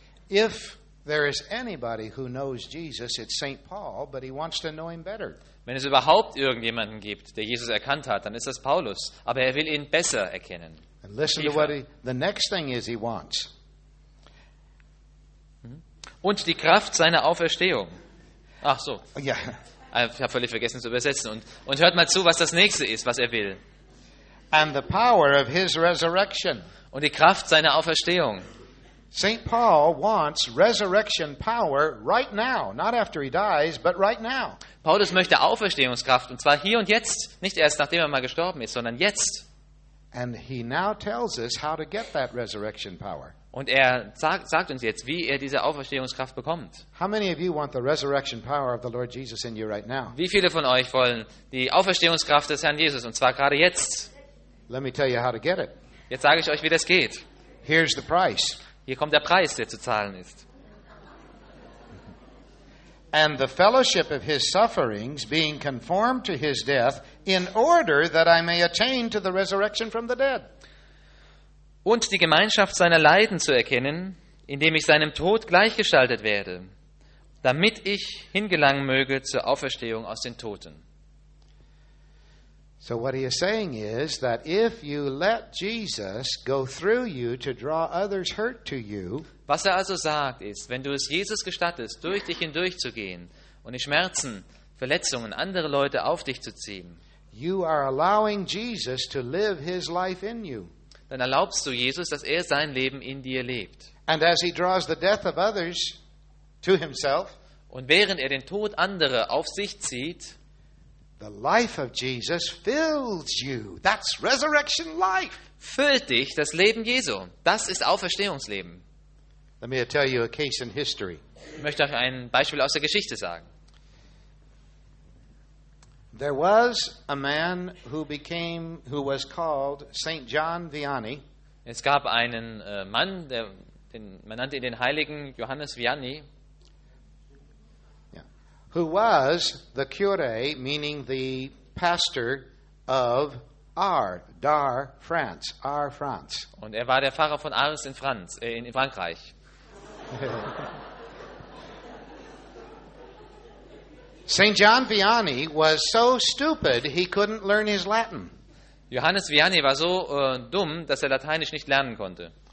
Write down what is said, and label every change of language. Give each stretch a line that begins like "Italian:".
English: if there is anybody who knows Jesus, it's St. Paul, but he wants to know him better.
German: Wenn es überhaupt irgendjemanden gibt, der Jesus erkannt hat, dann ist das Paulus, aber er will ihn besser erkennen.
English: And listen to what the next thing is he wants.
German: Und die Kraft seiner Auferstehung. Ach so. Yeah. Ich habe völlig vergessen zu übersetzen. Und hört mal zu, was das nächste ist, was er will.
English: And the power of his resurrection.
German: Und die Kraft seiner Auferstehung.
English: St. Paul wants resurrection power right now, not after he dies, but right now.
German: Paulus möchte Auferstehungskraft, und zwar hier und jetzt, nicht erst nachdem er mal gestorben ist, sondern jetzt.
English: And he now tells us how to get that resurrection power.
German: Und er sagt uns jetzt, wie er diese Auferstehungskraft bekommt.
English: How many of you want the resurrection power of the Lord Jesus in you right now?
German: Wie viele von euch wollen die Auferstehungskraft des Herrn Jesus, und zwar gerade jetzt?
English: Let me tell you how to get it.
German: Jetzt sage ich euch, wie das geht.
English: Here's the price.
German: Hier kommt der Preis, der zu zahlen ist.
English: And the fellowship of his sufferings being conformed to his death in order that I may attain to the resurrection from the dead.
German: Und die Gemeinschaft seiner Leiden zu erkennen, indem ich seinem Tod gleichgeschaltet werde, damit ich hingelangen möge zur Auferstehung aus den Toten.
English: So what he is saying is that if you let Jesus go through you to draw others hurt to you,
German: was er also sagt ist, wenn du es Jesus gestattest, durch dich hindurch zu gehen und die Schmerzen, Verletzungen andere Leute auf dich zu ziehen,
English: you are allowing Jesus to live his life in you.
German: Dann erlaubst du Jesus, dass er sein Leben in dir lebt.
English: And as he draws the death of others to himself,
German: und während er den Tod anderer auf sich zieht,
English: the life of Jesus fills you. That's resurrection life.
German: Füllt dich das Leben Jesu. Das ist Auferstehungsleben.
English: Let me tell you a case in history.
German: Ich möchte euch ein Beispiel aus der Geschichte sagen.
English: There was a man who was called St. John Vianney.
German: Es gab einen Mann, man nannte ihn den Heiligen Johannes Vianney.
English: Who was the cure, meaning the pastor of Ars, France.
German: Und er war der Pfarrer von Ars in Franz, in Frankreich.
English: St. John Vianney was so stupid, he couldn't learn his Latin.
German: Johannes Vianney war so dumm, dass er Lateinisch nicht lernen konnte.